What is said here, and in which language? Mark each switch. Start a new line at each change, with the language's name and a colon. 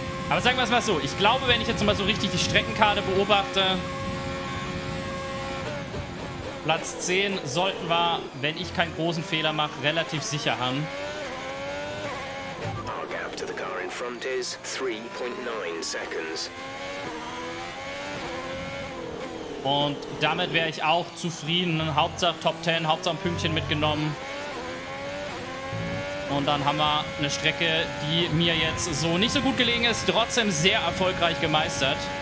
German: Aber sagen wir es mal so. Ich glaube, wenn ich jetzt mal so richtig die Streckenkarte beobachte, Platz 10 sollten wir, wenn ich keinen großen Fehler mache, relativ sicher haben.
English: Our gap to the car in front is 3.9 seconds.
German: Und damit wäre ich auch zufrieden. Hauptsache Top 10, Hauptsache ein Pünktchen mitgenommen. Und dann haben wir eine Strecke, die mir jetzt so nicht so gut gelegen ist, trotzdem sehr erfolgreich gemeistert.